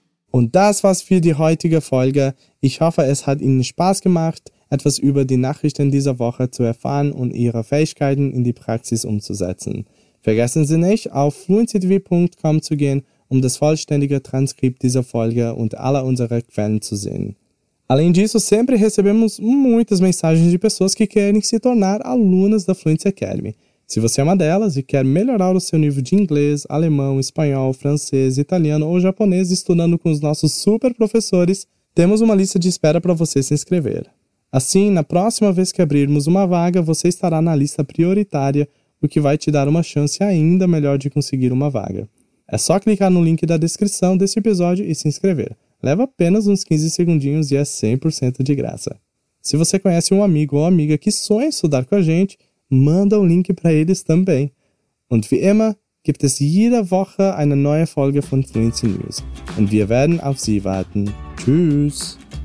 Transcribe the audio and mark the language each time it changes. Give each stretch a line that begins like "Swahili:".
German: Und das war's für die heutige Folge. Ich hoffe, es hat Ihnen Spaß gemacht, etwas über die Nachrichten dieser Woche zu erfahren und Ihre Fähigkeiten in die Praxis umzusetzen. Vergessen Sie nicht, auf fluencytv.com zu gehen, um das vollständige Transkript dieser Folge und aller unserer Quellen zu sehen.
Portuguese: Além disso, sempre recebemos muitas mensagens de pessoas que querem se tornar alunas da Fluency Academy. Se você é uma delas e quer melhorar o seu nível de inglês, alemão, espanhol, francês, italiano ou japonês estudando com os nossos super professores, temos uma lista de espera para você se inscrever. Assim, na próxima vez que abrirmos uma vaga, você estará na lista prioritária, o que vai te dar uma chance ainda melhor de conseguir uma vaga. É só clicar no link da descrição desse episódio e se inscrever. Leva apenas uns 15 segundinhos e é 100% de graça. Se você conhece um amigo ou amiga que sonha em estudar com a gente, manda um link para eles também.
German: Und wie immer gibt es jede Woche eine neue Folge von Fluency News. Und wir werden auf Sie warten. Tschüss!